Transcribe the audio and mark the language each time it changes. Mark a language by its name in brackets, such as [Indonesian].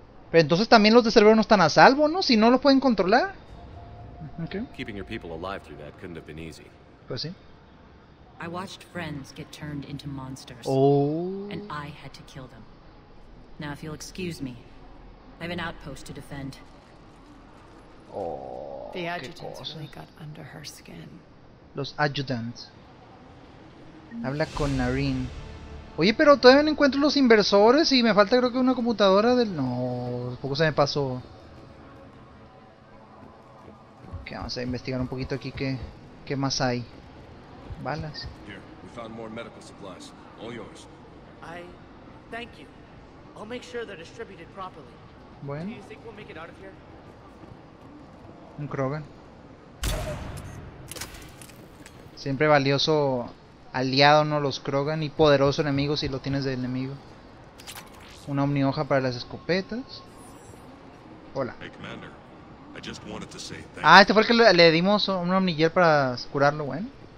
[Spanish] Pero entonces también los de Cerberus no están a salvo, ¿no? Si no los pueden controlar. [English] Okay. Keeping your people alive through that couldn't have been easy. [Spanish] Pues sí. [English] I watched friends get turned into monsters. Oh. And I had to kill them. Now, if you'll excuse me, I have an outpost to defend. Oh, the adjutants really got under her skin. [Spanish] Los adjutants. Habla con Naren. Oye, pero todavía no encuentro los inversores y me falta creo que una computadora del... No, poco se me pasó. Ok, vamos a investigar un poquito aquí qué más hay. Balas. [English] Here, we found more medical supplies. All yours. I thank you. I'll make sure they're distributed properly. [Spanish] Bueno. [English] Do you think we'll make it out of here? [Spanish] Un Krogan. Siempre valioso aliado, ¿no? Los Krogan. Y poderoso enemigo si lo tienes de enemigo. Una omnihoja para las escopetas. Hola. [English] Hey, Commander. I just wanted to say thank you. [Spanish] Ah, este fue el que le dimos un omnigel para curarlo, bueno.